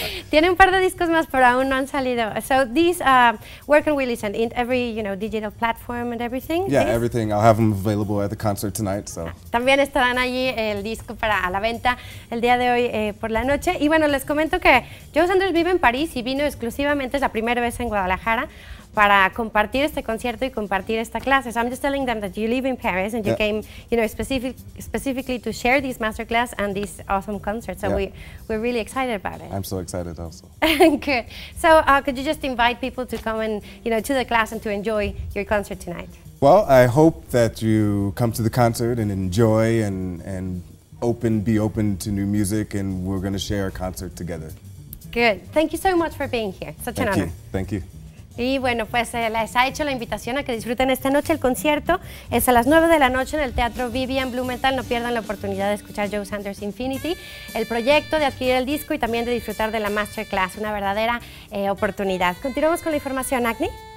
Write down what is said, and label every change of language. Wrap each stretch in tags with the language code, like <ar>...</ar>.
<es>Tiene un par de discos más, pero aún no han salido.</es> <en>So these, where can we listen? In every, you know, digital platform and everything? Yeah, please? Everything. I'll have them available at the concert tonight, so.</en> <es>También estarán allí el disco para a la venta el día de hoy por la noche. Y bueno, les comento que Joe Sanders vive en París y vino exclusivamente, es la primera vez en Guadalajara, para compartir este concierto y compartir esta clase.</es> <en>So I'm just telling them that you live in Paris and you came, you know, specifically to share this masterclass and this awesome concert. So we're really excited about it. I'm so excited also. Good. So could you just invite people to come and, you know, to the class and to enjoy your concert tonight? Well, I hope that you come to the concert and enjoy and be open to new music, and we're going to share a concert together. Good. Thank you so much for being here. Such Thank an honor. You. Thank you.</en> <es>Y bueno, pues les ha hecho la invitación a que disfruten esta noche el concierto. Es a las 9 de la noche en el Teatro Vivian Blumenthal. No pierdan la oportunidad de escuchar Joe Sanders Infinity, el proyecto, de adquirir el disco y también de disfrutar de la Masterclass. Una verdadera oportunidad. Continuamos con la información, Agni.</es>